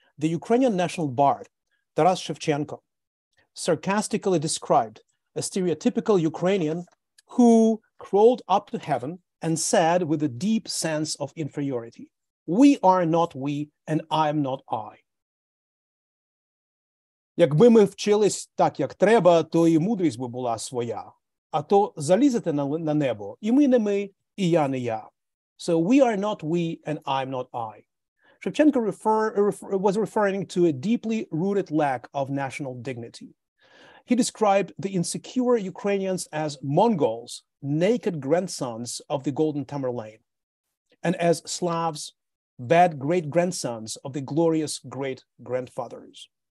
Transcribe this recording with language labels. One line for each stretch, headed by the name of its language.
English: The Ukrainian national bard, Taras Shevchenko, sarcastically described a stereotypical Ukrainian who crawled up to heaven and said with a deep sense of inferiority, "We are not we, and I am not I."
Ukrainian: Якби ми вчились так, як треба, то і мудрість би була своя. А то залізете на небо, і ми не ми, і я не я.
English: So we are not we, and I am not I. Shevchenko was referring to a deeply rooted lack of national dignity. He described the insecure Ukrainians as Mongols, naked grandsons of the Golden Tamerlane, and as Slavs, bad great-grandsons of the glorious great-grandfathers.